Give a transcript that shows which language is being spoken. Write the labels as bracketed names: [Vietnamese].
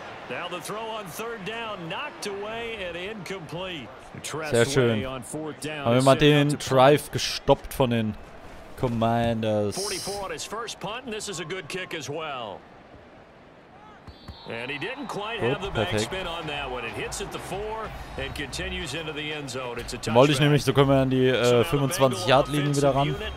[English] Now the throw on third down, knocked away and incomplete. [German] Sehr schön. Haben wir mal den Drive gestoppt von den Commanders. [English] 44 on his first punt, and this is a good kick as well. And he didn't quite have the backspin on that one. It hits at the 4 and continues into the end zone. It's a touchdown. [German] Wollte ich nämlich, so kommen wir an die 25-Yard-Linie wieder ran.